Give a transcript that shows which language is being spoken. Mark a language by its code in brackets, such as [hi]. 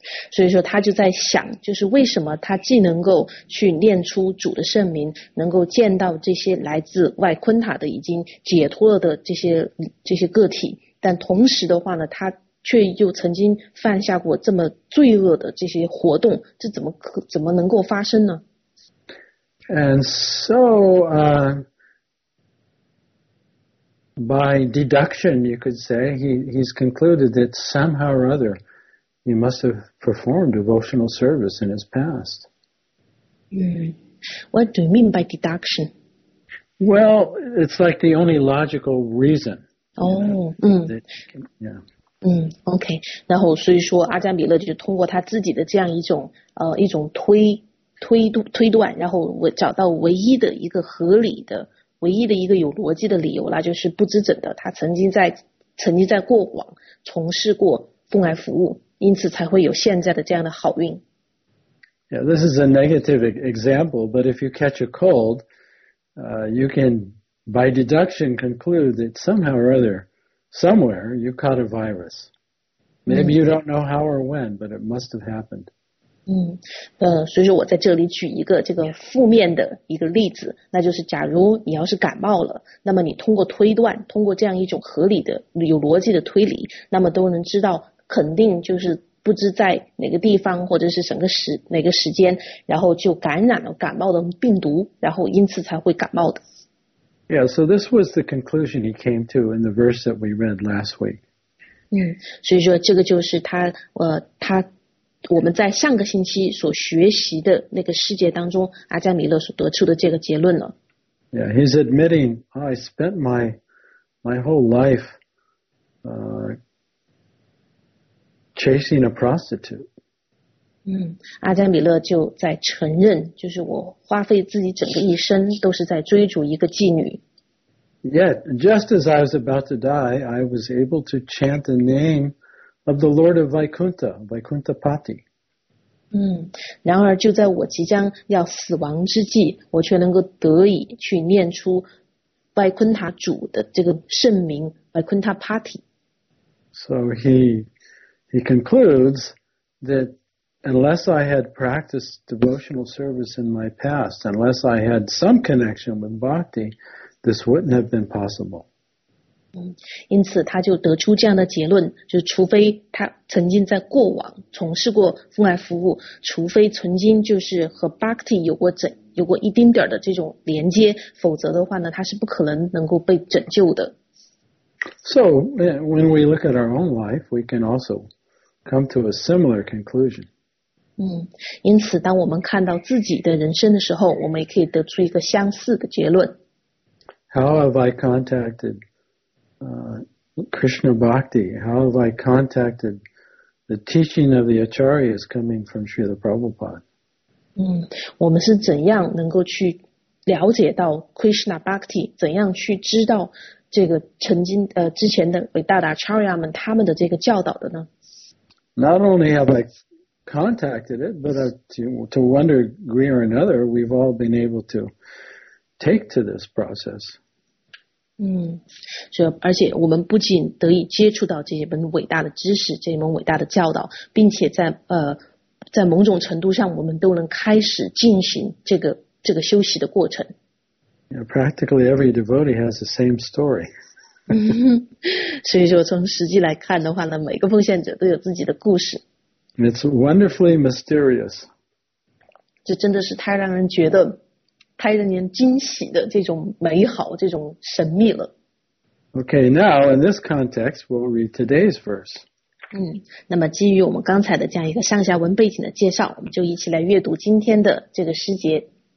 [zh] 所以说他就在想，就是为什么他既能够去念出主的圣名，能够见到这些来自外昆塔的已经解脱了的这些个体，但同时的话呢，他却又曾经犯下过这么罪恶的这些活动，这怎么能够发生呢？ [en] And so, by deduction, you could say, he's concluded that somehow or other,He must have performed devotional service in his past. What do you mean by deduction? Well, it's like the only logical reason. Okay. [zh] 然后所以说阿加米勒就通过他自己的这样一种推断，然后找到唯一的一个合理的、唯一的一个有逻辑的理由，那就是不知怎的，他曾经在过往从事过奉爱服务。因此才会有现在的这样的好运。 [en] Yeah, this is a negative example, but if you catch a cold, you can, by deduction, conclude that somehow or other, somewhere, you caught a virus. Maybe you don't know how or when, but it must have happened. [zh] 所以说我在这里举一个这个负面的一个例子，那就是假如你要是感冒了，那么你通过推断，通过这样一种合理的、有逻辑的推理，那么都能知道肯定就是不知在哪个地方或者是哪个时间，然后就感染了感冒的病毒，然后因此才会感冒的。 [en] Yeah, so this was the conclusion he came to in the verse that we read last week. [zh] 所以说这个就是我们在上个星期所学习的那个世界当中阿加米勒所得出的这个结论了。 [en] Yeah, he's admitting, I spent my whole life, chasing a prostitute. [zh] 阿加米勒就在承认，就是我花费自己整个一生都是在追逐一个妓女。 [en] Yet, just as I was about to die, I was able to chant the name of the Lord of Vaikuntha, Vaikunthapati. [zh] 然而就在我即将要死亡之际，我却能够得以去念出外昆塔主的这个圣名 Vaikunthapati. [en] So he concludes that unless I had practiced devotional service in my past, unless I had some connection with bhakti, this wouldn't have been possible. [zh] 因此他就得出这样的结论，就是除非他曾经在过往从事过奉爱服务，除非曾经就是和 bhakti 有过一丁点的这种连接，否则的话呢，他是不可能够被拯救的。 [en] So when we look at our own life, we can also come to a similar conclusion. [zh] 因此当我们看到自己的人生的时候，我们也可以得出一个相似的结论。 [en] How have I contacted Krishna Bhakti? How have I contacted the teaching of the Acharyas coming from Srila Prabhupada. [zh] 我们是怎样能够去了解到 Krishna Bhakti, 怎样去知道这个曾经之前的伟大的 Acharya 们他们的这个教导的呢？ [en] Not only have I contacted it, but to one degree or another, we've all been able to take to this process. [zh] 而且我们不仅得以接触到这一门伟大的知识，这一门伟大的教导，并且在某种程度上，我们都能开始进行这个休息的过程。 [en] Yeah, practically every devotee has the same story. [zh] 所以说从实际来看的话呢，每个奉献者都有自己的故事。 [en] It's wonderfully mysterious. [zh] 这真的是太让人觉得，太令人惊喜的这种美好，这种神秘了。 [en] Okay, now in this context, we'll read today's verse. [zh] 那么基于我们刚才的这样一个上下文背景的介绍，我们就一起来阅读今天的这个诗节。